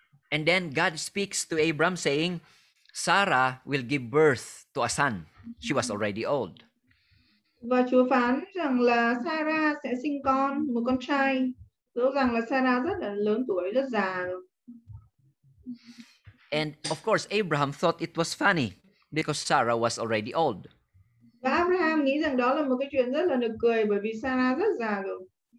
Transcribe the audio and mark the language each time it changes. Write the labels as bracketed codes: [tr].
[en] And then God speaks to Abraham saying, Sarah will give birth to a son. She was already old. [vi] Và Chúa phán rằng là Sarah sẽ sinh con, một con trai. Rõ ràng là Sarah rất là lớn tuổi, rất già rồi. [en] And of course, Abraham thought it was funny because Sarah was already old. [vi] Và Abraham nghĩ rằng đó là một cái chuyện rất là nực cười bởi vì Sarah rất già rồi.